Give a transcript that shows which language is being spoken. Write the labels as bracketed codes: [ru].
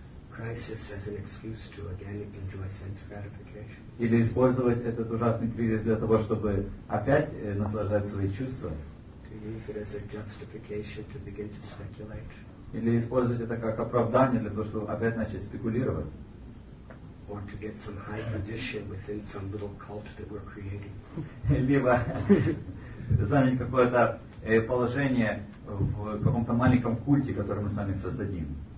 [en] Crisis as an excuse to again enjoy sense gratification. [ru] Или использовать этот ужасный кризис для того, чтобы опять наслаждать свои чувства. [en] To use it as a justification to begin to speculate. [ru] Или использовать это как оправдание для того, чтобы опять начать спекулировать. [en] Or to get some high position within some little cult that we're creating. [ru] Либо занять какое-то положение в каком-то маленьком культе, который мы сами создадим.